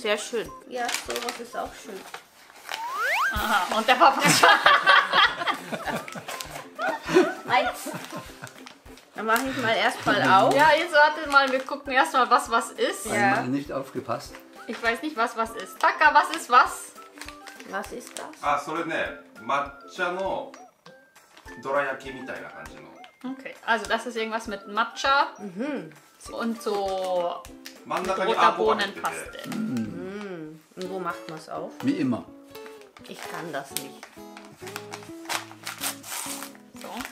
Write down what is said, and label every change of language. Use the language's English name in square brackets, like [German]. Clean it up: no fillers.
[German] Sehr schön. Ja, sowas ist auch schön. Aha, und der Papa. Eins. Dann mache ich mal erstmal auf. Ja, jetzt warte mal, wir gucken erstmal, was ist. Ich habe nicht aufgepasst. Ich weiß nicht, was ist. Taka, was ist was? Was ist das? [Japanese] Ah, それね、抹茶のどら焼きみたいな感じの。 [German] Okay, also das ist irgendwas mit Matcha und so roter Bohnenpaste. Und wo macht man es auf? Wie immer. Ich kann das nicht. So.